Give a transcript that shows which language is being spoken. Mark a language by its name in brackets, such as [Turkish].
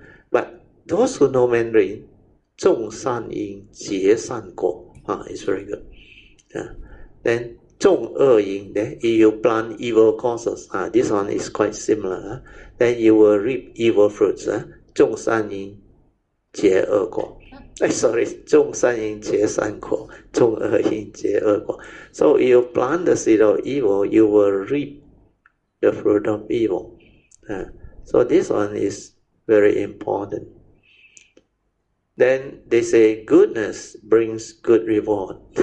[English] But those who know Mandarin, [Chinese] 种善因结善果, [English] it's very good. Then [Chinese] 种恶因, [English] if you plant evil causes, this one is quite similar, then you will reap evil fruits. [Chinese] 种善因结恶果. [English] Sorry, [Chinese] 种善因结善果, 种恶因结恶果. [English] So you plant the seed of evil, you will reap the fruit of evil. So this one is very important. Then they say goodness brings good reward.